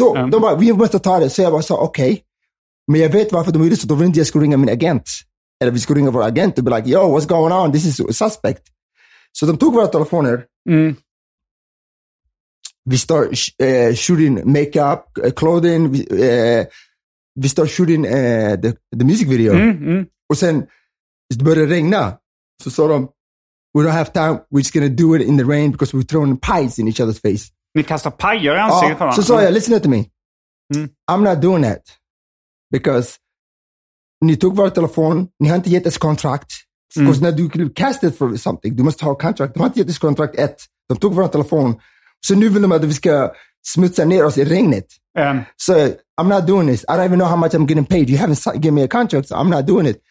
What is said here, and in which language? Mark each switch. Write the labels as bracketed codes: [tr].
[sv] De bara, vi måste ta det. Så jag bara sa, okej. Men jag vet varför de gjorde så. Då vill inte jag ringa min agent. Eller vi skulle ringa vår agent och [en] be like, yo, what's going on? This is a suspect. [sv] Så de tog våra telefoner. [en] Vi start shooting makeup, clothing. [sv] Vi [en] start shooting the music video. [sv] Och sen det började regna. Så sa de, [en] we don't have time. We're just gonna do it in the rain because we're throwing pies in each other's face. [sv] Ni kastar pajer i ansiktet på varandra. Så sa jag, [en] listen to me. I'm not doing that. [sv] Because ni tog vår telefon, ni har inte gett ett kontrakt. Because när du castet [en] for something, [sv] du måste ha kontrakt. De har inte gett ett kontrakt ett. De tog vår telefon. Så nu vill de att vi ska smutsa ner oss i regnet. [en] So I'm not doing this. I don't even know how much I'm getting paid. You haven't given me a contract, so I'm not doing it.